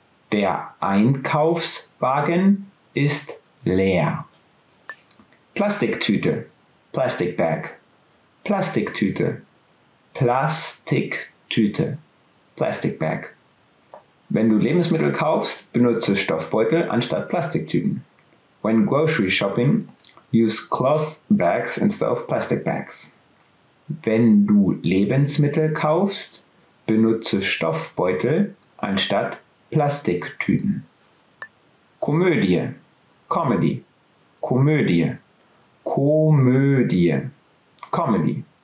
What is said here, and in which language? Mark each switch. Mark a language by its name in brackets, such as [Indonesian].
[German] Der Einkaufswagen ist leer. [English] Plastiktüte, plastic bag. Plastiktüte, Plastiktüte, Plastic Bag. [German] Wenn du Lebensmittel kaufst, benutze Stoffbeutel anstatt Plastiktüten. [English] When grocery shopping, use cloth bags instead of plastic bags. [German] Wenn du Lebensmittel kaufst, benutze Stoffbeutel anstatt Plastiktüten. Komödie, Comedy, Komödie, Komödie. Comedy.